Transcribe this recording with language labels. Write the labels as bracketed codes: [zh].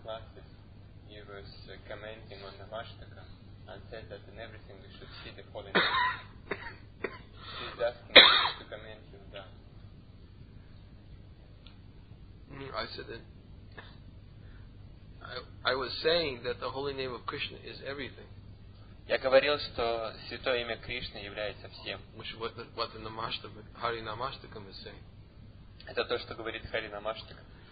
[en] classes, you was commenting on the Vashtaka and said that in everything we should see the Holy Name. I said that I was saying that the holy name of Krishna is everything. [ru] Я говорил, что святое имя Кришны является всем. [en] Which what the Namashtaka, Hari Namashtakam is saying. [ru] Это то, что говорит Хари Намаштака.